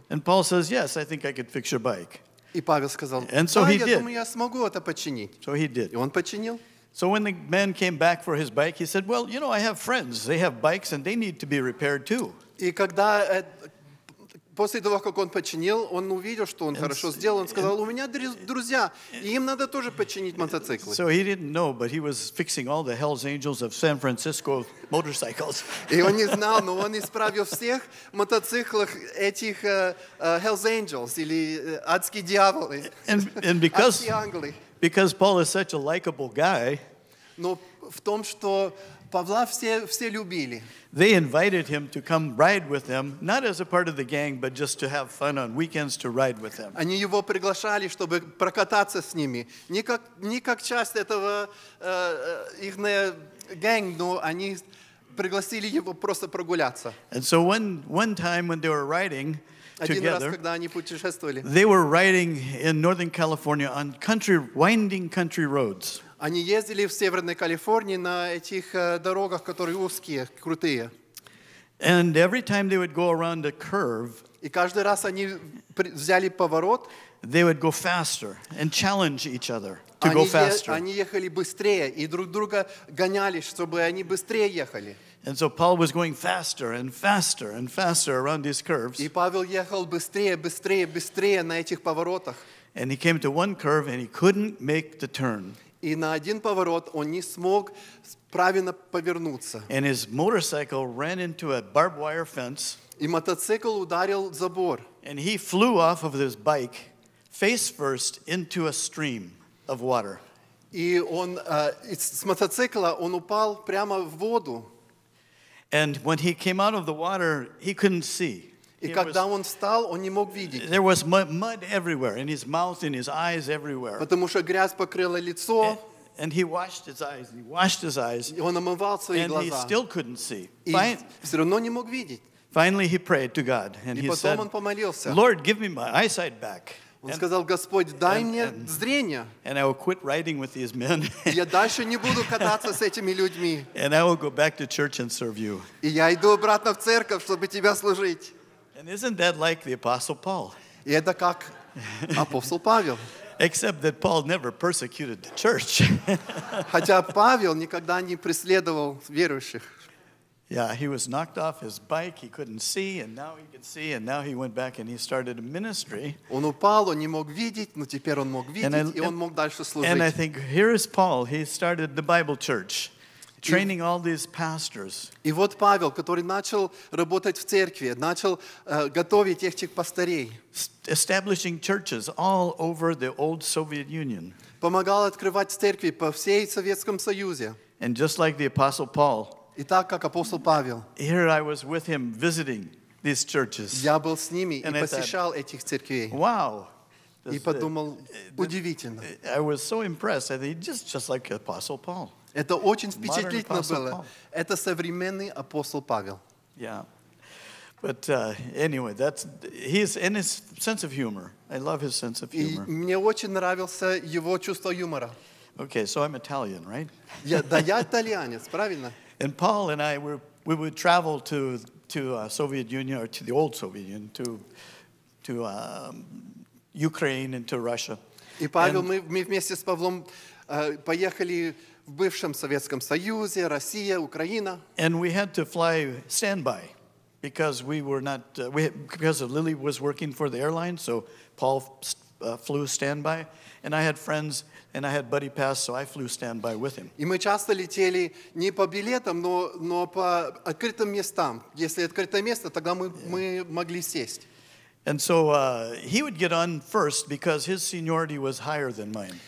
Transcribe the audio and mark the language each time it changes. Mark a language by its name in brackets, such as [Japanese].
[English] And Paul says, "Yes, I think I could fix your bike." [Russian] И Павел сказал, [English] "And so he did." [Russian] Я думаю, я смогу это починить. [English] So he did. [Russian] И он починил. [English] So when the man came back for his bike, he said, "Well, you know, I have friends. They have bikes, and they need to be repaired too." [Russian] И когда после того, как он починил, он увидел, что он хорошо сделал, он сказал: "У меня друзья, и им надо тоже починить мотоциклы." [English] So he didn't know, but he was fixing all the Hell's Angels of San Francisco motorcycles. [Russian] И он не знал, но он исправил всех мотоциклов этих Hell's Angels или адские дьяволы. [English] And because Paul is such a likable guy. [Russian] Но в том, что Павла все любили. [English] They invited him to come ride with them, not as a part of the gang, but just to have fun on weekends to ride with them. [Russian] Они его приглашали, чтобы прокататься с ними. Не как часть этого их гэнг, но они пригласили его просто прогуляться. [English] And so one time when they were riding together, [Russian] один раз, когда они путешествовали, [English] they were riding in Northern California on country, winding country roads. [Russian] Они ездили в Северной Калифорнии на этих дорогах, которые узкие, крутые. [English] And every time they would go around a curve, [Russian] и каждый раз они взяли поворот, [English] they would go faster and challenge each other to go faster. [Russian] Они ехали быстрее и друг друга гоняли, чтобы они быстрее ехали. [English] And so Paul was going faster and faster and faster around these curves. [Russian] И Павел ехал быстрее, быстрее, быстрее на этих поворотах. [English] And he came to one curve and he couldn't make the turn. [Russian] И на один поворот он не смог правильно повернуться. [English] And his motorcycle ran into a barbed wire fence. [Russian] И мотоцикл ударил забор. [English] And he flew off of his bike face first into a stream of water. [Russian] И он с мотоцикла он упал прямо в воду. [English] And when he came out of the water, he couldn't see. [Russian] И когда он встал, он не мог видеть. [English] There was mud everywhere, in his mouth, in his eyes, everywhere. [Russian] Потому что грязь покрыла лицо. [English] and he washed his eyes, and he washed his eyes, [Russian] он омывал свои [English] and [Russian] глаза. [English] He still couldn't see. [Russian] Все равно не мог видеть. [English] Finally, he prayed to God, and he said, Lord, give me my eyesight back. [Russian] Он сказал, Господь, дай мне зрение. [English] And I will quit riding with these men. [Russian] Я дальше не буду кататься с этими людьми. [English] And I will go back to church and serve you. [Russian] И я иду обратно в церковь, чтобы тебя служить. [English] And isn't that like the Apostle Paul? [Russian] И это как апостол Павел. [English] Except that Paul never persecuted the church. [Russian] Хотя Павел никогда не преследовал верующих. [English] Yeah, he was knocked off his bike, he couldn't see, and now he can see, and now he went back and he started a ministry. [Russian] Он упал, он не мог видеть, но теперь он мог видеть, и он мог дальше служить. [English] And I think, here is Paul, he started the Bible church, training all these pastors. [Russian] И вот Павел, который начал работать в церкви, начал готовить этих пастырей. [English] Establishing churches all over the old Soviet Union. [Russian] Помогал открывать церкви по всей Советском Союзе. [English] And just like the Apostle Paul, [Russian] Итак, как апостол Павел. [English] Here I was with him visiting these churches. [Russian] Я был с ними и посещал этих церквей. [English] Wow. [Russian] И подумал, удивительно. [English] I was so impressed. I think just like apostle Paul. [Russian] Это очень впечатлительно было. Это современный апостол Павел. [English] Yeah. But anyway, that's his and his sense of humor. I love his sense of humor. [Russian] И мне очень нравился его чувство юмора. [English] Okay, so I'm Italian, right? [Russian] Да, я итальянец, правильно? [English] And Paul and I we would travel to Soviet Union or to the old Soviet Union to Ukraine and to Russia. [Russian] И Павел мы вместе с Павлом поехали в бывшем Советском Союзе, Россия, Украина. [English] And we had to fly standby because we were not because Lily was working for the airline, so Paul flew standby, and I had friends. And I had buddy pass, so I flew standby with him. [Russian] И мы часто летели не по билетам, но по открытым местам. Если открытое место, тогда мы могли сесть. [English] And so he would get on first because his seniority was higher than mine.